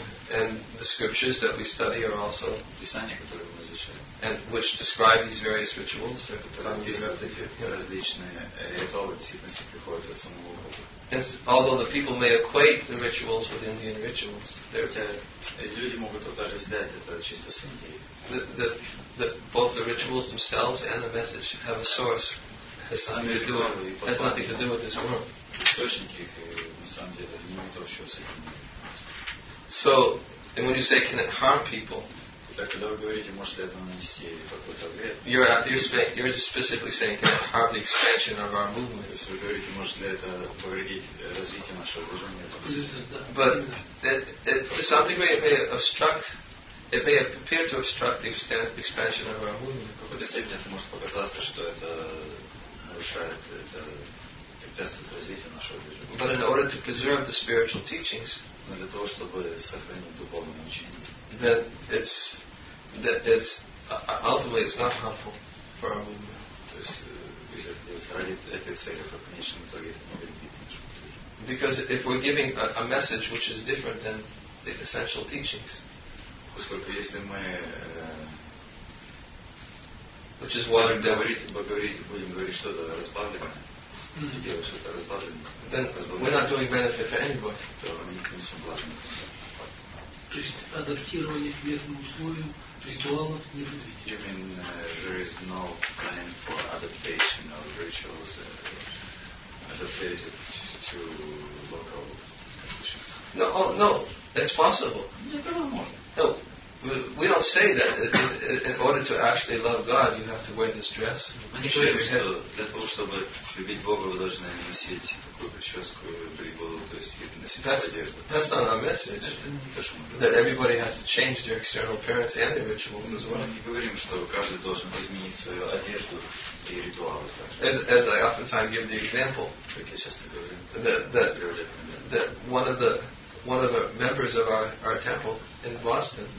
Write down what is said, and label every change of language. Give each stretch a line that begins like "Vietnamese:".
English: And the scriptures that we study are also
Russian: Писания, которые мы изучаем,
English: and which describe these various rituals,
Russian: различные ритуалы действительно приходят от самого Бога.
English: And although the people may equate the rituals with Indian rituals,
Russian: люди могут даже сказать, это чисто с Индией.
English: That both the rituals themselves and the message have a source, has something to do with, has nothing to do with this world.
Russian: Источники их, на самом деле, не имеют общего с этим.
English: So, and when you say, can it harm people?
Russian: Так когда вы говорите, может ли это нанести какой-то вред?
English: You're just specifically saying, can it harm the expansion of our movement?
Russian: Если вы говорите, может ли это повредить развитие нашего движения?
English: But to some degree it may obstruct, it may appear to obstruct the expansion of our movement.
Russian: В какой-то степени это может показаться, что это нарушает, это препятствует развитию нашего движения.
English: But in order to preserve the spiritual teachings,
Russian: для того, чтобы сохранить духовное учение,
English: that it's ultimately it's not helpful for our movement.
Russian: То есть, если это ради этой цели, то, конечно, в итоге это не вредит.
English: Because if we're giving a message which is different than the essential teachings,
Russian: поскольку если мы
English: which is watered down,
Russian: будем говорить что-то разбавленное,
English: We're not doing benefit for anybody.
Russian: То есть адаптирование к местным условиям ритуалов не будет.
English: You mean there is no plan for adaptation of rituals adapted to local conditions? No, it's possible. No, we don't say that. In order to actually love God, you have to wear this dress.
Russian: Для того, чтобы любить Бога, вы должны носить такую прическу, прибыло, то есть носить одежду.
English: That's not our message. That everybody has to change their external appearance and their rituals as well.
Russian: Мы не говорим, что каждый должен изменить свою одежду и ритуалы.
English: As I oftentimes give the example, that one of the members of our temple in Boston,